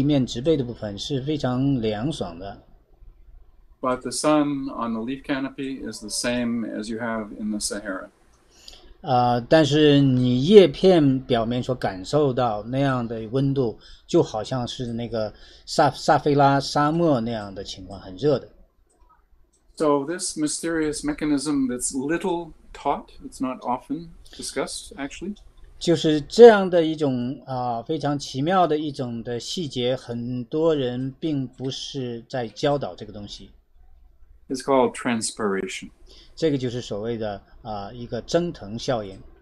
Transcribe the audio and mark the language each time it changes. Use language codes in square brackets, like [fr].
[zh] 那么，这个森林的那个植被的部分，地面植被的部分是非常凉爽的。 [en] But the sun on the leaf canopy is the same as you have in the Sahara. [zh] 但是你叶片表面所感受到那样的温度，就好像是那个撒哈拉沙漠那样的情况，很热的。So [en] this mysterious mechanism that's little taught, it's not often discussed, actually. [zh] 就是这样的一种非常奇妙的一种的细节，很多人并不是在教导这个东西。 [en] It's called transpiration. [zh] 这个就是所谓的一个蒸腾效应。